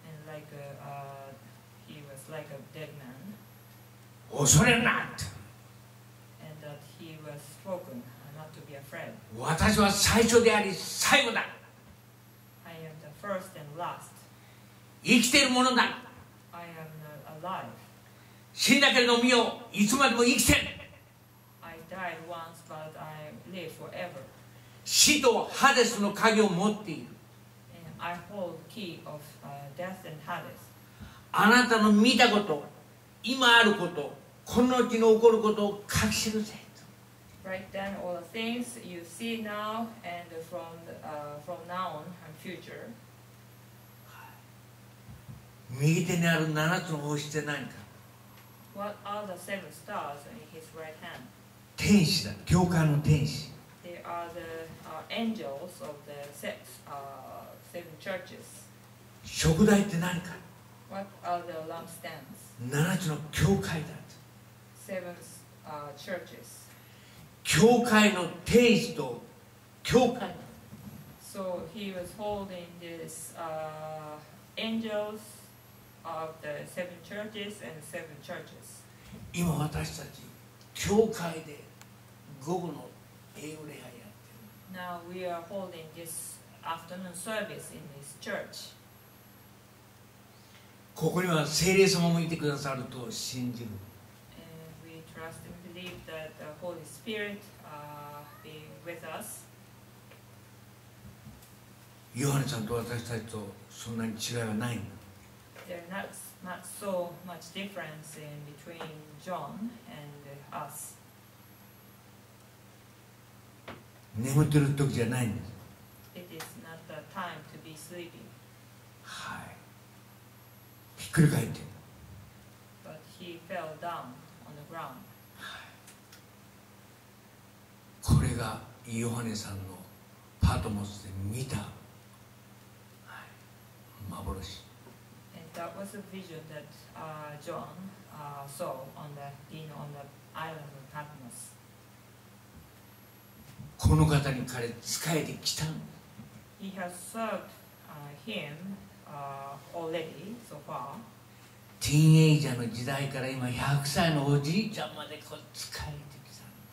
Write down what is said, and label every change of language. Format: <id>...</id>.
<en>And like he was like a dead man.</en> <ja>恐れるなって。</ja> <en>And that he was spoken not to be afraid.</en> <ja>私は最初であり最後だ。</ja> <en>First and last.</en> <ja>生きているものだ。</ja> <en>I am alive.</en> <ja>死んだけれども、見よ、いつまでも生きてる。</ja> <en>I died once, but I live forever.</en> <ja>死とハデスの鍵を持っている。</ja> <en>And I hold key of death and Hades.</en> <ja>あなたの見たこと、今あること、この時に起こることを書き記せ。</ja> <en>Write down all the things you see now and from from now on and future.</en> <ja>右手にある7つの星って何か。</ja> <en>What are the seven stars in his right hand?</en> <ja>天使だ、教会の天使。</ja> <en>They are the angels of the seven churches.</en> <ja>燭台って何か。</ja> <en>What are the lampstands?</en> <ja>7つの教会だ。</ja> <en>Seven churches.</en> <ja>教会の天使と教会。</ja> <en>So he was holding this angels. Of the seven churches and seven churches.</en> <ja>今私たち教会で午後の英語礼拝やってる。</ja> <en>Now we are holding this afternoon service in this church.</en> <ja>ここには聖霊様もいてくださると信じる。</ja> <en>And we trust and believe that the Holy Spirit be with us.</en> <ja>ヨハネさんと私たちとそんなに違いはない。</ja> <en>There's not so much difference in between John and us.</en> <ja>眠ってる時じゃないんです。</ja> <en>It is not the time to be sleeping.</en> <ja>はい。ひっくり返って。</ja> <en>But he fell down on the ground.</en> <ja>これがヨハネさんのパトモスで見た幻。</ja> <en>And that was a vision that John saw on the being on the island of Patmos.</en> <ja>この方に彼仕えてきたの。</ja> <en>He has served him already so far.</en> <ja>ティーンエイジャーの時代から今100歳のおじいちゃんまでこう使えてきた。</ja>